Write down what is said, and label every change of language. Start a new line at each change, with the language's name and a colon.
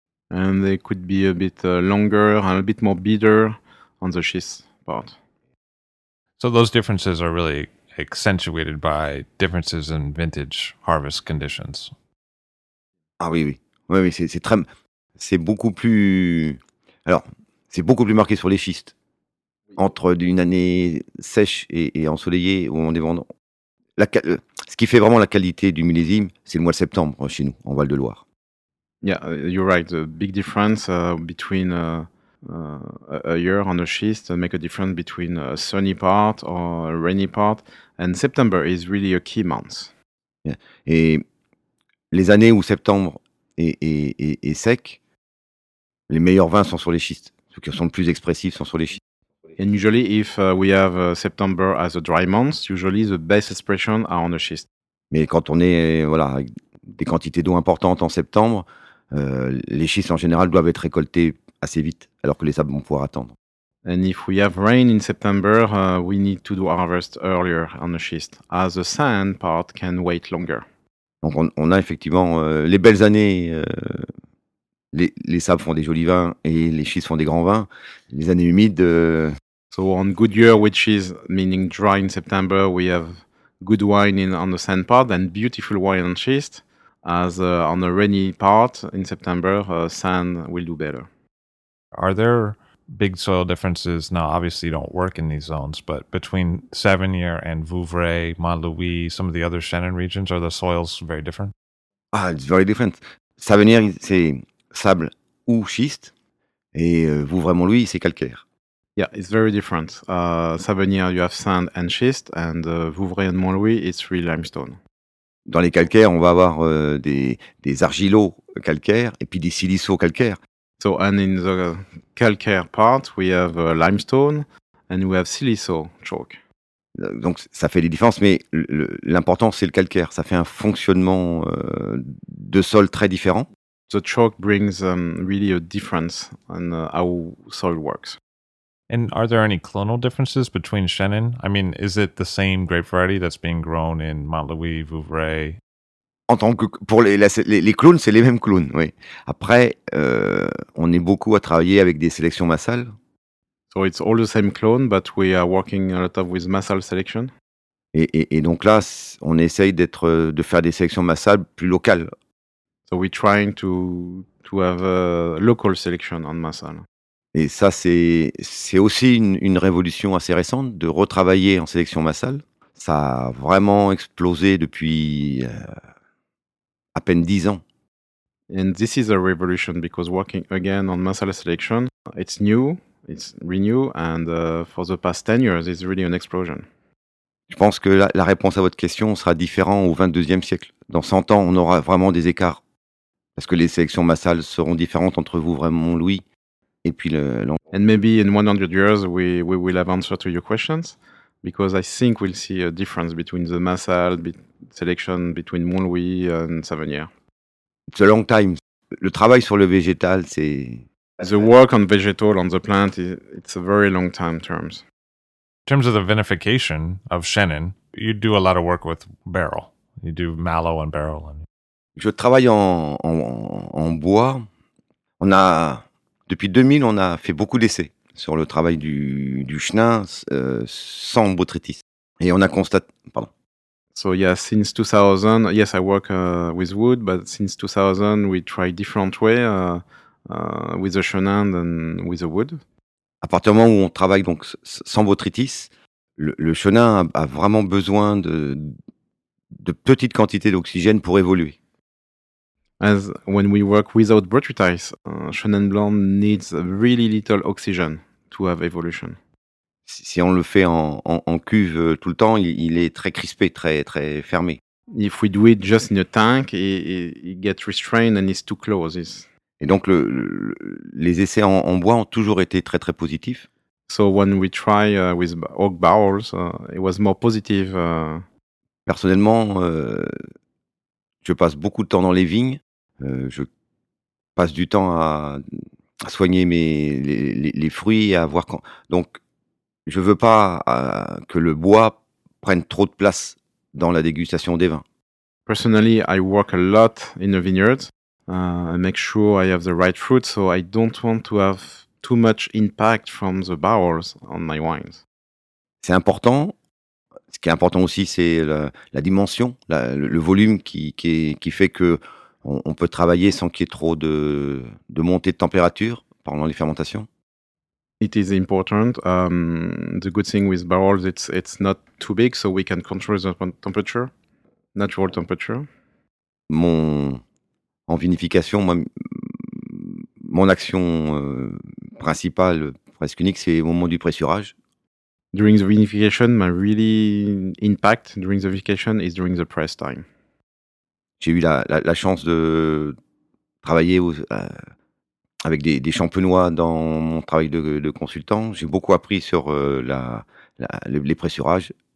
English: And they could be a bit longer and a bit more bitter on the schist part. So those differences are really accentuated by differences in vintage harvest conditions.
French: Ah oui, oui. Oui, oui, c'est très... C'est beaucoup plus... Alors, c'est beaucoup plus marqué sur les schistes. Entre une année sèche et ensoleillée au moment des vendanges. Ce qui fait vraiment la qualité du millésime, c'est le mois de septembre chez nous, en Val-de-Loire.
English: Yeah, you're right. The big difference between a year on a schist make a difference between a sunny part or a rainy part. And September is really a key month. Yeah.
French: Et les années où septembre est sec, les meilleurs vins sont sur les schistes. Ceux qui sont le plus expressifs sont sur les schistes.
English: And usually, if we have September as a dry month, usually the best expression are on the schist.
French: Mais quand on est voilà des quantités d'eau importantes en septembre, les schistes en général doivent être récoltés assez vite, alors que les sables vont pouvoir attendre.
English: And if we have rain in September, we need to do harvest earlier on the schist, as the sand part can wait longer.
French: Donc on a effectivement les belles années. Les sables font des jolis vins et les schistes font des grands vins. Les années humides.
English: So on good year, which is meaning dry in September, we have good wine on the sand part and beautiful wine on schist. As on the rainy part in September, sand will do better. Are there big soil differences? Now, obviously, you don't work in these zones, but between Savenir and Vouvray, Mont-Louis, some of the other Chenin regions, are the soils very different? Ah, it's very different.
French: Savenir, c'est sable ou schiste, et Vouvray-Mont-Louis, c'est calcaire.
English: Yeah, it's very different. Savenir, you have sand and schist, and Vouvray and Mont-Louis, it's really limestone.
French: Dans les calcaires, on va avoir des argilos calcaires et puis des silicaux calcaires.
English: So, and in the calcaire part, we have limestone and we have silicaux chalk.
French: Donc, ça fait des différences, mais l'important, c'est le calcaire. Ça fait un fonctionnement de sol très différent.
English: The chalk brings really a difference on how soil works. And are there any clonal differences between Chenin? I mean, is it the same grape variety that's being grown in Mont-Louis, Vouvray?
French: En tant que pour les clones, c'est les mêmes clones, oui. Après, on est beaucoup à travailler avec des sélections Massal.
English: So it's all the same clone, but we are working a lot of with Massal selection.
French: Et donc là, on essaye de faire des sélections Massal plus locales.
English: So we're trying to have a local selection on Massal.
French: Et ça, c'est aussi une révolution assez récente de retravailler en sélection Massal. Ça a vraiment explosé depuis à peine 10 ans.
English: And this is a revolution because working again on Massal selection, it's new, it's renewed, and for the past 10 years, it's really an explosion.
French: Je pense que la réponse à votre question sera différente au 22e siècle. Dans 100 ans, on aura vraiment des écarts. Parce que les sélections massales seront différentes entre vous, vraiment, Louis, et puis
English: And maybe in 100 years, we will have answer to your questions, because I think we'll see a difference between the massal selection between Mont-Louis and Savenir. It's a long time.
French: Le travail sur le végétal, c'est
English: The work on vegetal on the plant, it's a very long time terms. In terms of the vinification of Chenin, you do a lot of work with barrel. You do mallow and barrel.
French: Je travaille en bois. On a depuis 2000, on a fait beaucoup d'essais sur le travail du chenin sans botrytis. Et on a constaté. Pardon.
English: So yeah, since 2000, yes, I work with wood, but since 2000, we try different way with the chenin than with the wood.
French: À partir du moment où on travaille donc sans botrytis, le chenin a vraiment besoin de petites quantités d'oxygène pour évoluer.
English: As when we work without botrytis, chenin blanc needs really little oxygen to have evolution.
French: Si on le fait en cuve tout le temps, il est très crispé, très très fermé.
English: If we do it just in a tank, it gets restrained and it's too close.
French: Et donc les essais en bois ont toujours été très très positifs.
English: So when we try with oak barrels, it was more positive.
French: Personnellement, je passe beaucoup de temps dans les vignes. Je passe du temps à soigner les fruits, à voir quand. Donc, je veux pas que le bois prenne trop de place dans la dégustation des vins.
English: Personally, I work a lot in the vineyard. I make sure I have the right fruit, so I don't want to have too much impact from the barrels on my wines.
French: C'est important. Ce qui est important aussi, c'est la dimension, le volume qui fait que on peut travailler sans qu'il y ait trop de montée de température pendant les fermentations.
English: It is important. The good thing with barrels, it's not too big, so we can control the temperature, natural temperature.
French: En vinification, mon action principale, presque unique, c'est au moment du pressurage.
English: During the vinification, my really impact during the vinification is during the press time.
French: J'ai eu la chance de travailler avec des champenois dans mon travail de consultant. J'ai beaucoup appris sur les pressurages.